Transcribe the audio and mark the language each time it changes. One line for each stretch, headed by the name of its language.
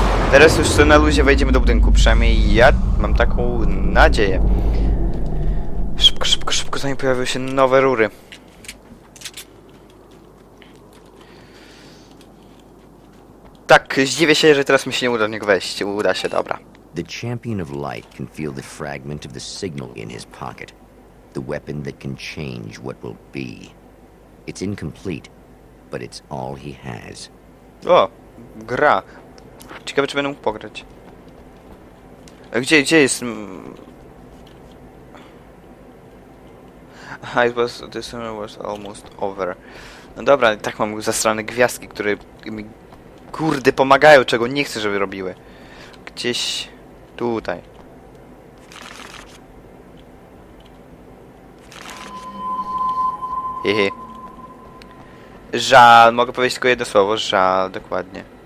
Polish: Teraz już na luzie wejdziemy do budynku, przynajmniej ja mam taką nadzieję. Szybko, szybko, szybko, zanim pojawią się nowe rury. Tak, zdziwię się, że teraz mi się nie uda w niego wejść. Uda się, dobra.
English: The champion of light can feel the fragment of the signal in his pocket. The weapon that can change what will be. It's incomplete, but it's all he has.
Polish: O, gra. Ciekawe, czy będę mógł pograć. A gdzie, gdzie jest...
English: Aha, this summer was almost over.
Polish: No dobra, tak mam zasrane gwiazdki, które mi kurde pomagają, czego nie chcę, żeby robiły. Gdzieś tutaj. Hehe. Żal, mogę powiedzieć tylko jedno słowo, żal, dokładnie.